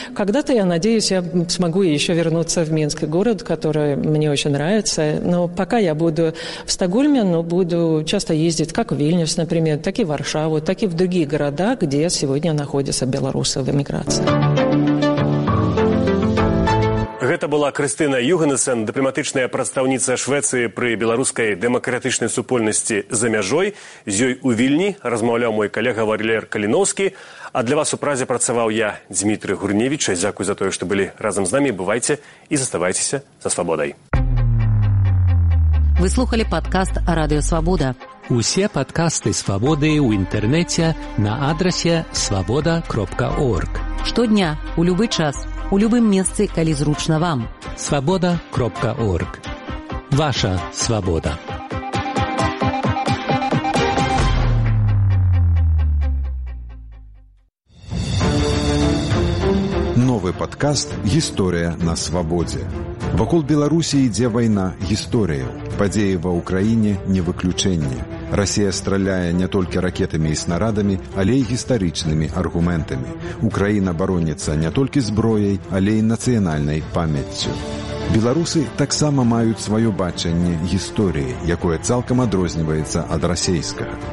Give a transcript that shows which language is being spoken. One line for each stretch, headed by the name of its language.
Russian: Когда-то я надеюсь, я смогу еще вернуться в Минск, город, который мне очень нравится. Но пока я буду в Стокгольме, но буду часто ездить, как в Вильнюс, например, так и в Варшаву, так и в другие города, где сегодня находятся белорусы в эмиграции.
Belarusian: Гэта была Крыстына Югансен, дыпламатычная прадстаўніца Швецыі пры беларускай дэмакратычнай супольнасці за мяжой. З ёй у Вільні размаўляў мой калега Валер Каліноўскі. А для вас у празе працаваў я, Дмітрый Гурневіч. Дзякуй за тое, што былі разам з намі. Бывайце і заставайцеся за свабодай. Вы слухалі падкаст «Радыё Свабода». Усе падкасты «Свабоды» ў інтэрнэце на адрасе свабода.орг. Штодня, у любы час, у любым месцы, калі зручна вам. Свабода.орг. Ваша свабода. Новы падкаст. падкаст «Гісторія на свабодзе». Вакол Беларусі ідзе вайна гісторыяў. Падзеі ва ўкраіне не выключэнне. Расія страляе не толькі ракетамі і снарадамі, але і гістарычнымі аргументамі. Украіна бароніцца не толькі зброяй, але і нацыянальнай памяццю. Беларусы таксама маюць сваё бачанне гісторыі, якое цалкам адрозніваецца ад расейскага.